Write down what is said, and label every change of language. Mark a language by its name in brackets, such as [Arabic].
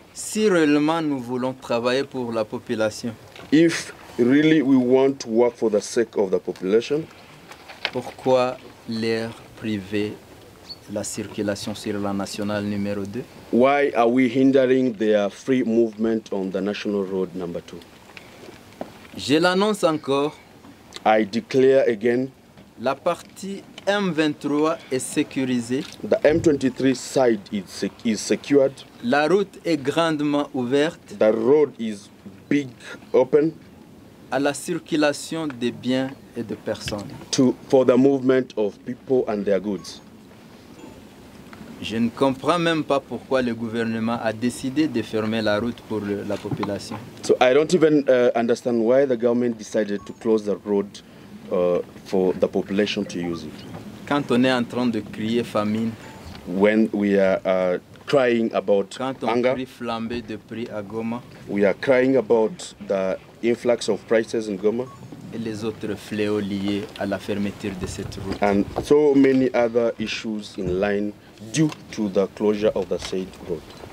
[French] Si réellement nous voulons travailler pour la population, [English] if really we want to work for the sake of the population, [French] pourquoi leur priver la circulation sur la nationale numéro 2? [English] Why are we hindering their free movement on the national road number 2? [French] Je l'annonce encore. [English] I declare again. [French] La partie M23 est sécurisée. [English] The M23 side is secured. [French] La route est grandement ouverte. [English] The road is big open. [French] À la circulation des biens et de personnes. [English] For the movement of people and their goods. [French] Je ne comprends même pas pourquoi le gouvernement a décidé de fermer la route pour la population. [English] So I don't even understand why the government decided to close the road for the population to use it. [French] Quand on est en train de crier famine, [English] when we are crying about [French] quand on [English] hunger, [French] crie flambée de prix à Goma, [English] we are crying about the influx of prices in Goma, [French] et les autres fléaux liés à la fermeture de cette route, [English] and so many other issues in line due to the closure of the said road.